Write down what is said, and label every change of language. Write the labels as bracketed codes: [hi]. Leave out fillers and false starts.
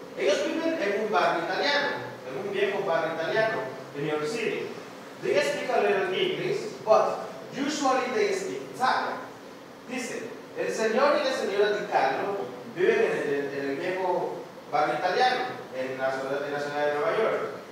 [es] Ellos viven en un barrio italiano, en un viejo barrio italiano, [en] in New York City. They speak a little English, but usually they speak Italian. [es] Dice, el señor y la señora Di Carlo viven en el viejo barrio italiano, en la ciudad de Nueva York.